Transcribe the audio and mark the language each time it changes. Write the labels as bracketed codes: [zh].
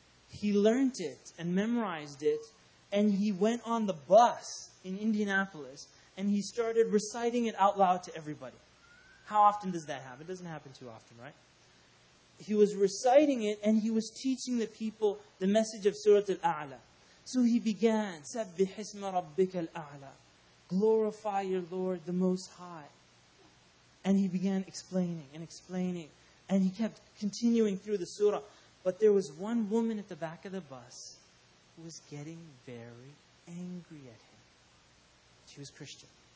[en] He learned it and memorized it. And he went on the bus in Indianapolis. And he started reciting it out loud to everybody. How often does that happen? It doesn't happen too often, right? He was reciting it and he was teaching the people the message of Surah Al-A'la. So he began, [ar] سَبِّحْ اسْمَ رَبِّكَ الْأَعْلَى. [en] Glorify your Lord, the Most High. And he began explaining and explaining. And he kept continuing through the surah. But there was one woman at the back of the bus who was getting very angry at him. She was Christian.